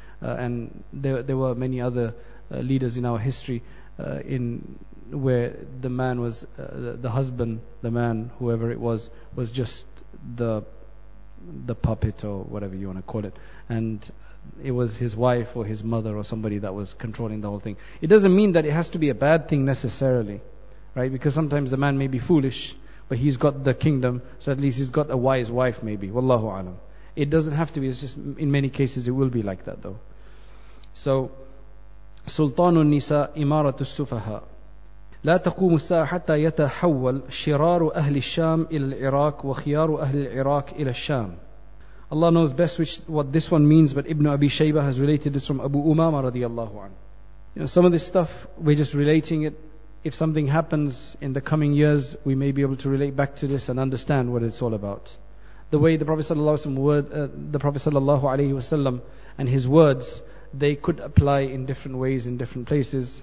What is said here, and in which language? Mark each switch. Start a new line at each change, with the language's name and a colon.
English: And there were many other leaders in our history where the man was the husband, the man, whoever it was just the puppet or whatever you want to call it, and it was his wife or his mother or somebody that was controlling the whole thing. It doesn't mean that it has to be a bad thing necessarily, right? Because sometimes the man may be foolish, but he's got the kingdom, so at least he's got a wise wife maybe. Wallahu alam. It doesn't have to be. It's just in many cases it will be like that though.
Arabic: So Sultanun Nisa Imaratu Sufaha. لا تقوم الساعة حتى يتحول شرار أهل الشام إلى العراق وخيار أهل العراق إلى الشام.
English: Allah knows best what this one means, but Ibn Abi Shaybah has related this from Abu Umama radiallahu anhu. You know, some of this stuff, we're just relating it. If something happens in the coming years, we may be able to relate back to this and understand what it's all about. The way the Prophet sallallahu alaihi wasallam and his words, they could apply in different ways, in different places.